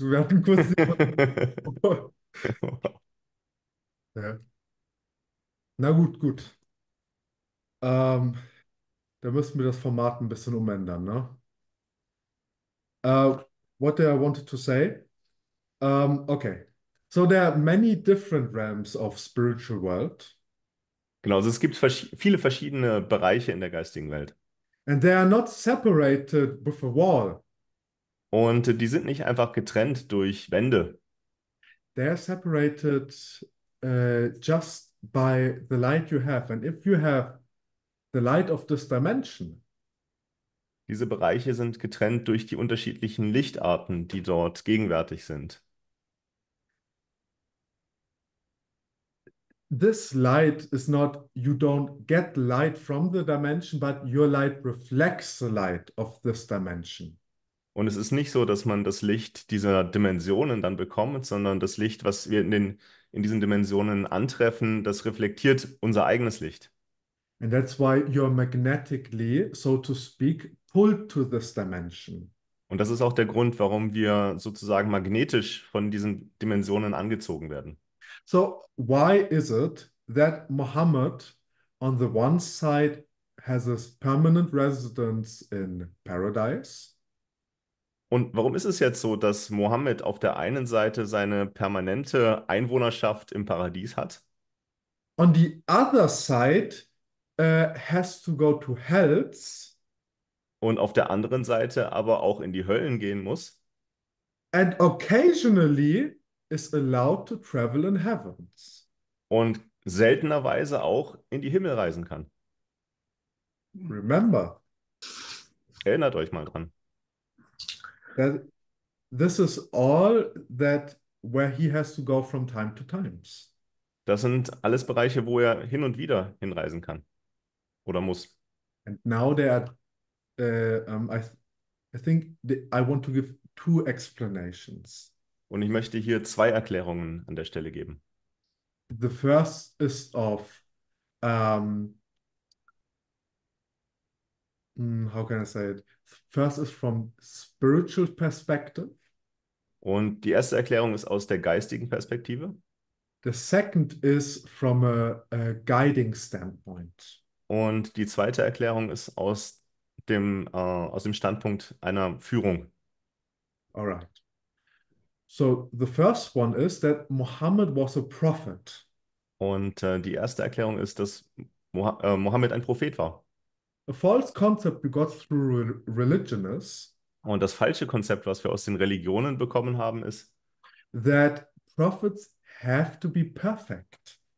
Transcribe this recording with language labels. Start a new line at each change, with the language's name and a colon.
German: wir hatten kurz. Ja. Na gut. Da müssen wir das Format ein bisschen umändern, ne?
English: What I wanted to say. Okay. So, there are many different realms of spiritual world.
German: Genau, also es gibt viele verschiedene Bereiche in der geistigen Welt.
English: And they are not separated with a wall.
German: Und die sind nicht einfach getrennt durch Wände.
English: They are separated just by the light you have. And if you have the light of this dimension,
German: Diese Bereiche sind getrennt durch die unterschiedlichen Lichtarten, die dort gegenwärtig sind.
English: this light is not, you don't get light from the dimension, but your light reflects the light of this dimension.
German: Und es ist nicht so, dass man das Licht dieser Dimensionen dann bekommt, sondern das Licht, was wir in diesen Dimensionen antreffen, das reflektiert unser eigenes Licht.
English: And that's why you're magnetically, so to speak, pulled to this dimension.
German: Und das ist auch der Grund, warum wir sozusagen magnetisch von diesen Dimensionen angezogen werden.
English: So, why is it that Muhammad on the one side has a permanent residence in paradise?
German: Und warum ist es jetzt so, dass Mohammed auf der einen Seite seine permanente Einwohnerschaft im Paradies hat?
English: On the other side has to go to hells
German: Und auf der anderen Seite aber auch in die Höllen gehen muss?
English: and occasionally is allowed to travel in heavens.
German: Und seltenerweise auch in die Himmel reisen kann?
English: Remember,
German: Erinnert euch mal dran.
English: that this is all that where he has to go from time to times.
German: Das sind alles Bereiche, wo er hin und wieder hinreisen kann oder muss.
English: And now there are, I think I want to give two explanations.
German: Und ich möchte hier zwei Erklärungen an der Stelle geben.
English: The first is of, how can I say it? First is from spiritual perspective.
German: Und die erste Erklärung ist aus der geistigen Perspektive.
English: The second is from a guiding standpoint.
German: Und die zweite Erklärung ist aus dem Standpunkt einer Führung.
English: Alright. So the first one is that Muhammad was a prophet.
German: Und die erste Erklärung ist, dass Mohammed ein Prophet war.
English: A false concept we got through religion is
German: Und das falsche Konzept, was wir aus den Religionen bekommen haben, ist,
English: that prophets have to be perfect.